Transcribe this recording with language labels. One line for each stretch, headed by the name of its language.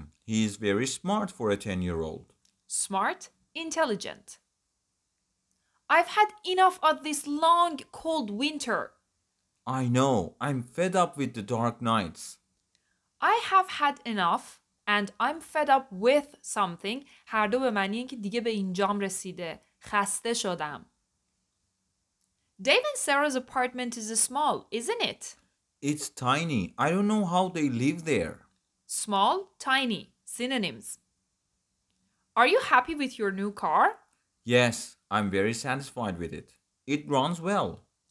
English: He is very smart for a 10-year-old. Smart, intelligent. I've had enough of this long, cold winter. I know. I'm fed up with the dark nights. I have had enough and I'm fed up with something.
Persian: هر دو به معنی اینکه دیگه به انجام رسیده. خسته شدم.
English: Dave and Sarah's apartment is small, isn't it? It's tiny. I don't know how they live there. Small, tiny. Synonyms. Are you happy with your new car? Yes, I'm very satisfied with it. It runs well.